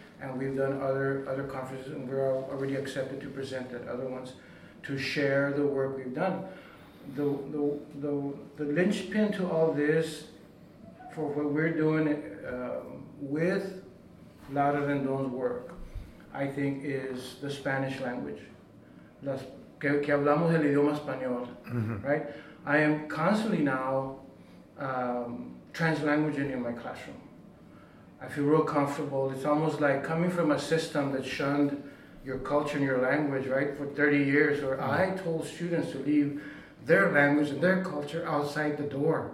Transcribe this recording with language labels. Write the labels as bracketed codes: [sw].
[en] And we've done other conferences, and we're already accepted to present at other ones to share the work we've done. The linchpin to all this for what we're doing with La Rendon's work, I think, is the Spanish language. [es] Que hablamos el idioma español, right? [en] I am constantly now translanguaging in my classroom. I feel real comfortable. It's almost like coming from a system that shunned your culture and your language, right, for 30 years, where I told students to leave their language and their culture outside the door.